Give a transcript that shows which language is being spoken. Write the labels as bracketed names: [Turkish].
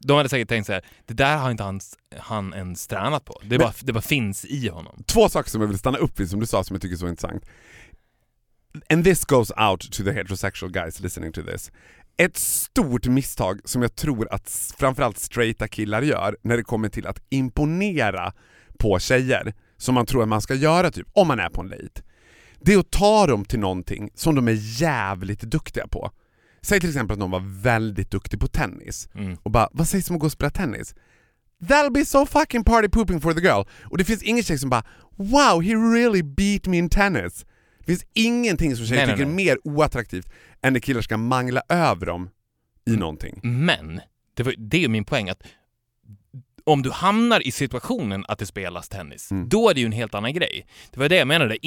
[Swedish] De hade säkert tänkt så här, det där har inte han ens tränat på. Det bara finns i honom. Två saker som jag vill stanna upp vid, som du sa, som jag tycker är så intressant. [English] And this goes out to the heterosexual guys listening to this. [Swedish] Ett stort misstag som jag tror att framförallt straighta killar gör när det kommer till att imponera på tjejer, som man tror att man ska göra typ om man är på en date. Det är att ta dem till någonting som de är jävligt duktiga på. Säg till exempel att någon var väldigt duktig på tennis. Mm. Och bara, vad sägs om att gå och spela tennis? [English] That'll be so fucking party pooping for the girl. [Swedish] Och det finns ingen tjej som bara, [English] wow, he really beat me in tennis. [Swedish] Det finns ingenting som tjejer tycker mer oattraktivt än när killar ska mangla över dem i någonting. Men, det är min poäng, att om du hamnar i situationen att det spelas tennis, då är det ju en helt annan grej. Det var det jag menade.